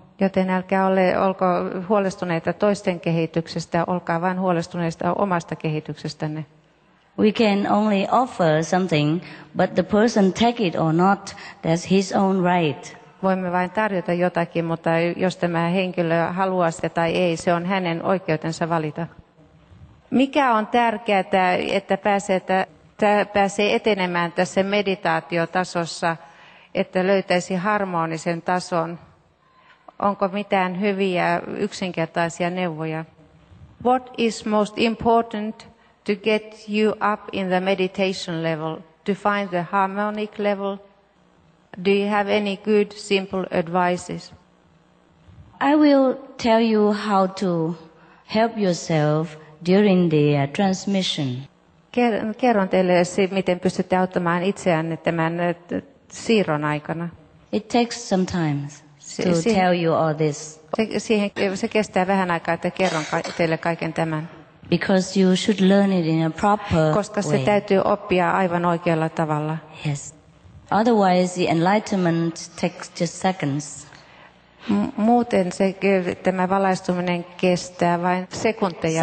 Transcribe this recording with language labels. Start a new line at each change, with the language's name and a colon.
Finnish: Joten älkää olko huolestuneita toisten kehityksestä, olkaa vain huolestuneista omasta kehityksestänne.
English: We can only offer something, but the person take it or not, that's his own right.
Finnish: Voimme vain tarjota jotakin, mutta jos tämä henkilö haluaa sitä tai ei, se on hänen oikeutensa valita. Mikä on tärkeää, että pääsee etenemään tässä meditaatiotasossa, että löytäisi harmonisen tason? Onko mitään hyviä yksinkertaisia neuvoja?
English: What is most important to get you up in the meditation level, to find the harmonic level? Do you have any good, simple advices? I will tell you how to help yourself during the transmission.
Finnish: Kerron teille, miten pystytte auttamaan itseänne tämän siirron aikana.
English: It takes some time to tell you all this.
Finnish: Se kestää vähän aikaa, että kerron teille kaiken tämän.
English: Because you should learn it in a proper way.
Finnish: Koska se täytyy oppia aivan oikealla tavalla.
English: Yes. Otherwise the enlightenment takes just seconds.
Finnish: Muuten se tämä valaistuminen kestää vain sekunteja.